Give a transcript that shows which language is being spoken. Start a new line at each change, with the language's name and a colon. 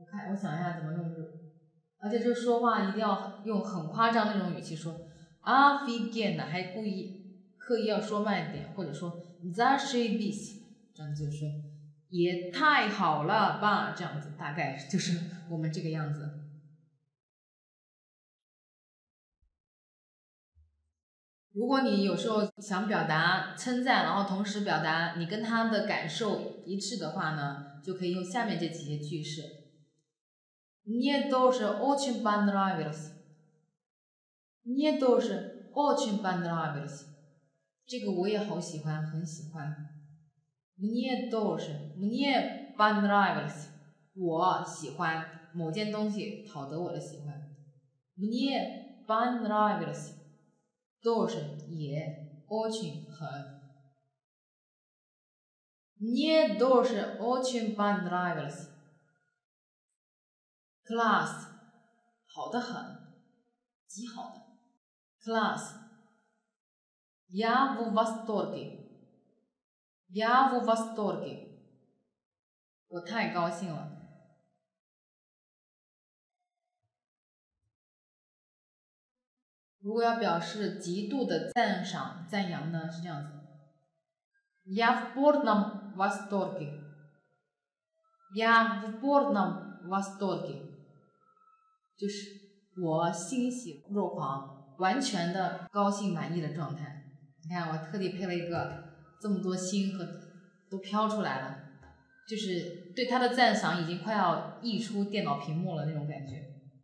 Chinese: 我想一下怎么用，而且这说话一定要用很夸张那种语气说 офигенно， 还故意刻意要说慢一点，或者说 зашибись， 这样就是说也太好了吧，这样子大概就是我们这个样子。如果你有时候想表达称赞，然后同时表达你跟他的感受一致的话呢，就可以用下面这几些句式。
Russian: Мне тоже очень понравилось. Мне тоже очень понравилось.
Chinese: 这个我也好喜欢，很喜欢。
Russian: Мне тоже, мне понравилось.
Chinese: 我喜欢某件东西，讨得我的喜欢。
Russian: Мне понравилось. тоже, 也 очень, 很。 Мне тоже очень понравилось.
Chinese: Class, 好的很，极好的。
Russian: Class, я в восторге, я в восторге,
Chinese: 我太高兴了。如果要表示极度的赞赏、赞扬呢，是这样子。
Russian: Я в полном восторге, я в полном восторге.
Chinese: 就是我欣喜若狂，完全的高兴满意的状态。你看我特地配了一个这么多心和都飘出来了，就是对他的赞赏已经快要溢出电脑屏幕了那种感觉。